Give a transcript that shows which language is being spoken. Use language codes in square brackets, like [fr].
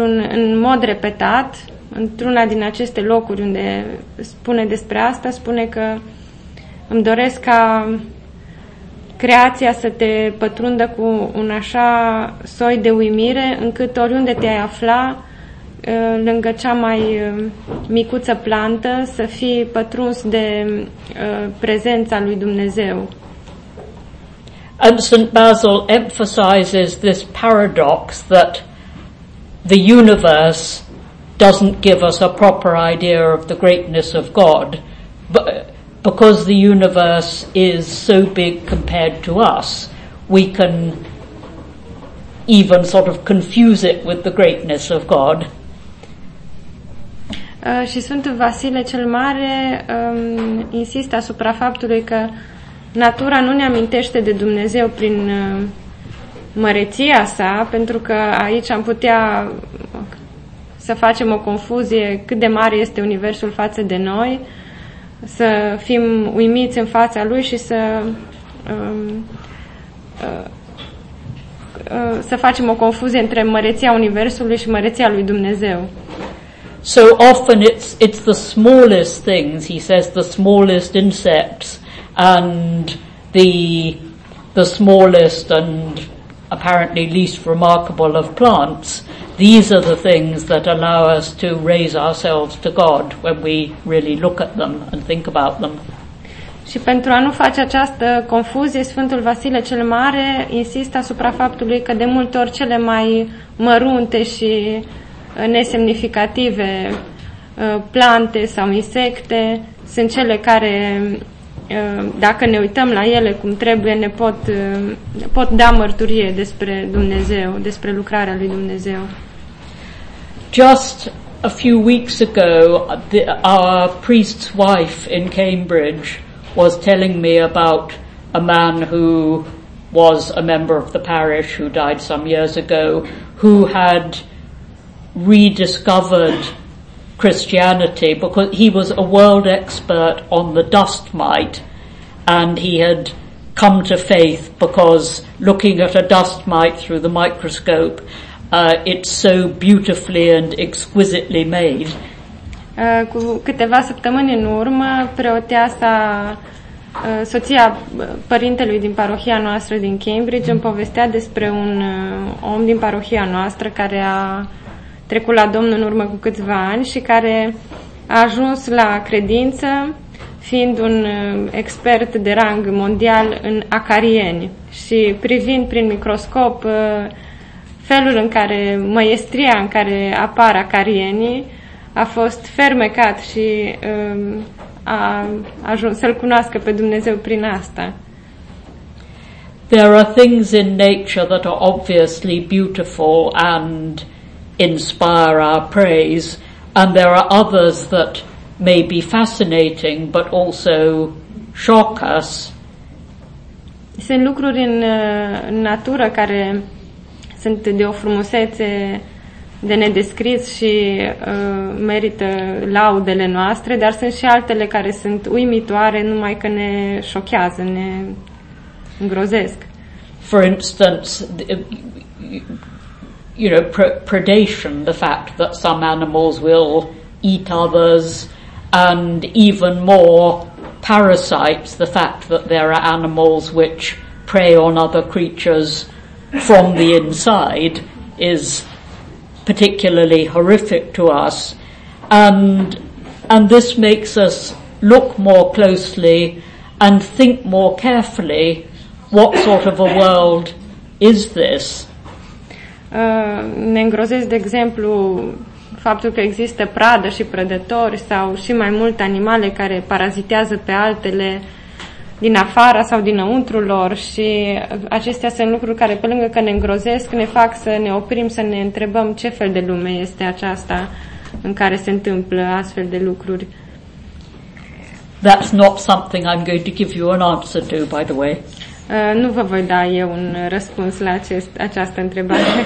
[ro] în mod repetat, într-una din aceste locuri unde spune despre asta, spune că îmi doresc ca creația să te pătrundă cu un așa soi de uimire, încât oriunde te-ai afla, lângă cea mai micuță plantă, să fii pătruns de prezența lui Dumnezeu. [en] And St. Basil emphasizes this paradox that the universe doesn't give us a proper idea of the greatness of God, but because the universe is so big compared to us, we can even sort of confuse it with the greatness of God. [ro] Și Sfântul Vasile cel Mare insistă asupra faptului că natura nu ne amintește de Dumnezeu prin măreția sa, pentru că aici am putea să facem o confuzie cât de mare este universul față de noi, să fim uimiți în fața lui și să facem o confuzie între măreția universului și măreția lui Dumnezeu. [en] So often it's the smallest things, he says, the smallest insects and the smallest and apparently least remarkable of plants. These are the things that allow us to raise ourselves to God when we really look at them and think about them. [ro] Și pentru a nu face această confuzie, Sfântul Vasile cel Mare insistă asupra faptului că de multe ori cele mai mărunte și nesemnificative plante sau insecte sunt cele care, dacă ne uităm la ele cum trebuie, ne pot, pot da mărturie despre Dumnezeu, despre lucrarea lui Dumnezeu. [en] Just a few weeks ago, our priest's wife in Cambridge was telling me about a man who was a member of the parish who died some years ago, who had rediscovered Christianity because he was a world expert on the dust mite, and he had come to faith because looking at a dust mite through the microscope, it's so beautifully and exquisitely made. [ro] Cu câteva săptămâni în urmă, preoteasa, soția părintelui din parohia noastră din Cambridge, îmi povestea despre un om din parohia noastră care a trecut la Domnul în urmă cu câțiva ani și care a ajuns la credință fiind un expert de rang mondial în acarieni și privind prin microscop felul în care, măiestria în care apar acarienii, a fost fermecat și a ajuns să-L cunoască pe Dumnezeu prin asta. [en] There are things in nature that are obviously beautiful and inspire our praise, and there are others that may be fascinating but also shock us. [ro] Sunt lucruri în natură care sunt de o frumusețe de nedescris și merită laudele noastre, dar sunt și altele care sunt uimitoare, numai că ne șochează, ne îngrozesc. [en] For instance, you know, predation, the fact that some animals will eat others, and even more parasites, the fact that there are animals which prey on other creatures from the inside, is particularly horrific to us, and this makes us look more closely and think more carefully, what sort of a world is this? [ro] Ne îngrozesc, de exemplu, faptul că există pradă și prădători sau și mai mult animale care parazitează pe altele din afara sau dinăuntru lor, și acestea sunt lucruri care, pe lângă că ne îngrozesc, ne fac să ne oprim, să ne întrebăm ce fel de lume este aceasta în care se întâmplă astfel de lucruri. [en] That's not something I'm going to give you an answer to, by the way. [ro] Nu vă voi da eu un răspuns la această întrebare.